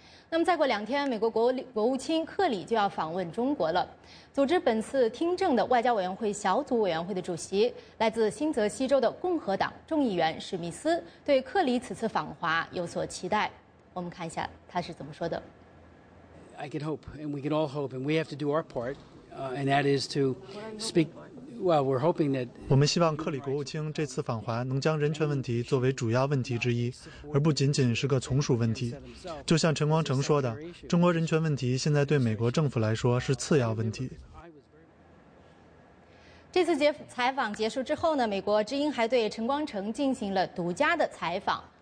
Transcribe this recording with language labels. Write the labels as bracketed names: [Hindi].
[Chinese] 那么再过2天，美国国务卿克里就要访问中国了。组织本次听证的外交委员会小组委员会的主席，来自新泽西州的共和党众议员史密斯，对克里此次访华有所期待。我们看一下他是怎么说的。 [English] I can hope, and we can all hope, and we have to do our part, and that is to speak. Well, we're hoping that. [Chinese] 我们希望克里国务卿这次访华能将人权问题作为主要问题之一，而不仅仅是个从属问题。就像陈光诚说的，中国人权问题现在对美国政府来说是次要问题。这次采访结束之后呢，美国之音还对陈光诚进行了独家的采访。